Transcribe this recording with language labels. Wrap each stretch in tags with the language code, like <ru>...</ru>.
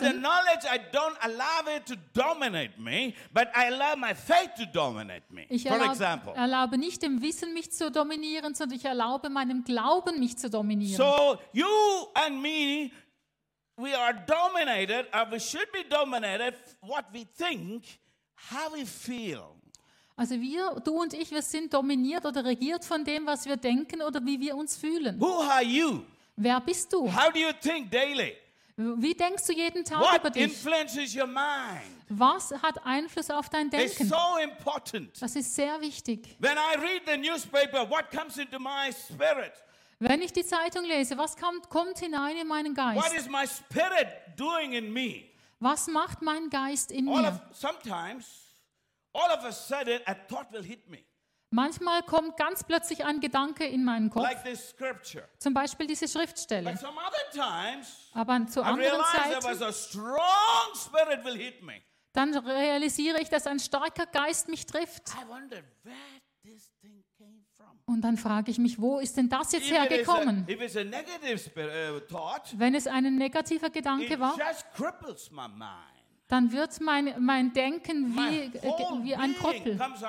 <en>But the knowledge, I don't allow it to dominate me, but I allow my faith to dominate me.</en> <de>Ich erlaube nicht dem Wissen mich zu dominieren, sondern ich erlaube meinem Glauben mich zu dominieren.</de> <en>So you and me, we are dominated, or we should be dominated, what we think, how we feel.</en> <de>Also wir, du und ich, wir sind dominiert oder regiert von dem, was wir denken oder wie wir uns fühlen.</de> <en>Who are you?</en> <de>Wer bist du?</de> <en>How do you think daily?</en> <de>Wie denkst du jeden Tag</de> <en>What</en> <de>über dich?</de> <en>Influences your mind?</en> <de>Was hat Einfluss auf dein Denken?</de> <en>It's so important.</en> <de>Das ist sehr wichtig.</de> <en>When I read the newspaper, what comes into my spirit?</en> <de>Wenn ich die Zeitung lese, was kommt hinein in meinen Geist?</de> <en>What is my spirit doing in me?</en> <de>Was macht mein Geist in</de> <en>All</en> <de>mir?</de> <en>Sometimes all of a sudden, a thought will hit me.</en> <de>Manchmal kommt ganz plötzlich ein Gedanke in meinen Kopf.</de> <en>Like this scripture.</en> <de>Zum Beispiel diese Schriftstelle.</de> <en>But some other times,</en> <de>aber zu anderen Zeiten,</de> <en>there was a strong spirit will hit me.</en> <de>Dann realisiere ich, dass ein starker Geist mich trifft.</de> <en>I wonder, where this thing came from.</en> <de>Und dann frage ich mich, wo ist denn das jetzt</de> <en>if</en> <de>hergekommen?</de> <en>It is a negative spirit, thought,</en> <de>wenn es ein negativer Gedanke</de> <en>it</en> <de>war,</de> <en>just cripples my mind.</en> <de>Dann wird mein Denken wie ein Krüppel.</de>